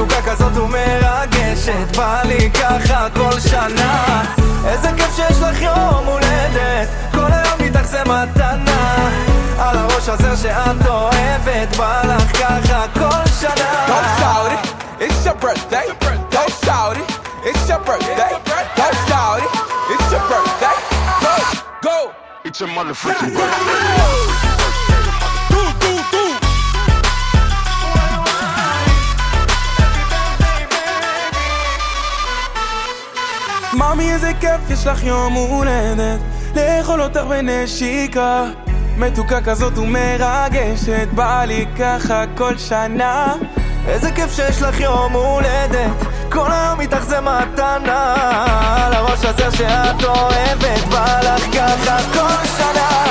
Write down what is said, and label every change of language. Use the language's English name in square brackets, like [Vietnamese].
[Hebrew] כזאת ומרגשת בא לי ככה כל שנה איזה כיף שיש לך יום הולדת כל היום איתך זה מתנה על הראש הזה שאת אוהבת בא לך ככה כל שנה [English] Go shout it, it's your birthday Go shout it, it's your birthday Go shout it, it's your birthday Go, go, it's your motherfucking birthday [Hebrew] מאמי איזה כיף יש לך יום הולדת לאכול אותך בנשיקה מתוקה כזאת ומרגשת בא לי ככה כל שנה איזה כיף שיש לך יום הולדת כל היום איתך זה מתנה על הראש הזה שאת אוהבת בא לך ככה כל שנה